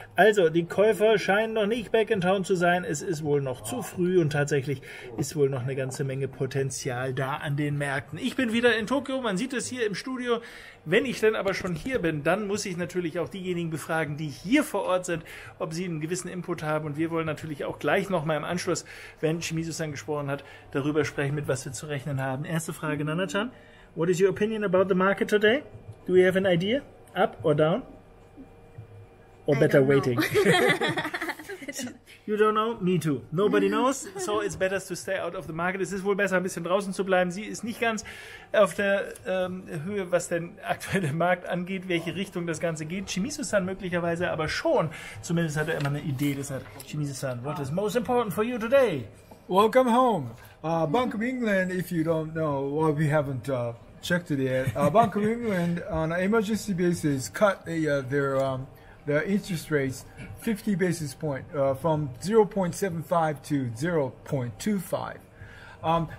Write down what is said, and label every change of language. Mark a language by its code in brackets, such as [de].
[de] Also die Käufer scheinen noch nicht [en] back in town [de] zu sein. Es ist wohl noch zu früh und tatsächlich ist wohl noch eine ganze Menge Potenzial da an den Märkten. Ich bin wieder in Tokio. Man sieht es hier im Studio. Wenn ich denn aber schon hier bin, dann muss ich natürlich auch diejenigen befragen, die hier vor Ort sind, ob sie einen gewissen Input haben. Und wir wollen natürlich auch gleich nochmal im Anschluss, wenn Shimizu-san gesprochen hat, darüber sprechen, mit was wir zu rechnen haben. Erste Frage, Nana-chan. [en] What is your opinion about the market today? Do we have an idea? Up or down? Or better waiting? You don't know? Me too. Nobody knows. So it's better to stay out of the market. [de] Es ist wohl besser, ein bisschen draußen zu bleiben. Sie ist nicht ganz auf der Höhe, was den aktuellen Markt angeht, welche Richtung das Ganze geht. Shimizu-san möglicherweise aber schon. Zumindest hat er immer eine Idee. Das hat [en] Shimizu-san, what is most important for you today? Welcome home. Bank of England, if you don't know, well, we haven't checked it yet. Bank of England, on an emergency basis, cut the interest rates 50 basis point from 0.75 to 0.25.